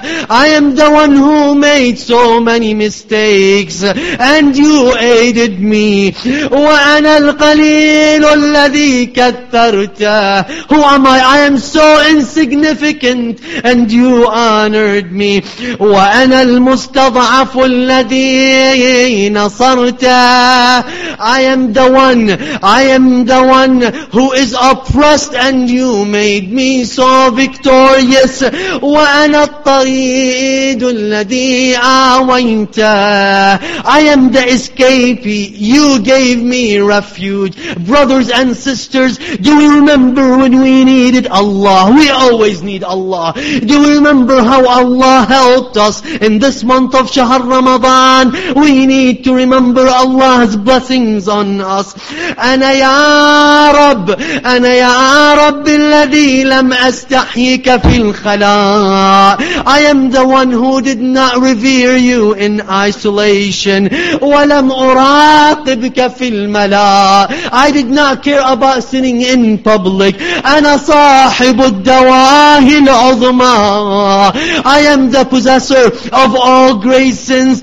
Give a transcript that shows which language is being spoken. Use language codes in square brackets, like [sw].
[en] I am the one who made so many mistakes and you aided me. [ar] وأنا القليل الذي كثرت. [en] Who am I? I am so insignificant and you honored me. [ar] وأنا المستضعف الذي نصرت. [en] I am the one who is oppressed and you made me so victorious. [ar] وأنا الطريد الذي آويت. [en] I am the escapee. You gave me refuge. Brothers and sisters, do we remember when we needed Allah? We always need Allah. Do we remember how Allah helped us in this month of Shahar Ramadan? We need to remember Allah's blessings on us. [ar] أنا يا رب, أنا يا رب الذي لم أستحيك في الخلاء. [en] I am the one who did not not revere you in isolation. [ar] وَلَمْ أُرَاقِبْكَ فِي الْمَلَاءِ. [en] I did not care about sinning in public. [ar] أَنَا صَاحِبُ الدَّوَاهِ الْعُظْمَى. [en] I am the possessor of all great sins.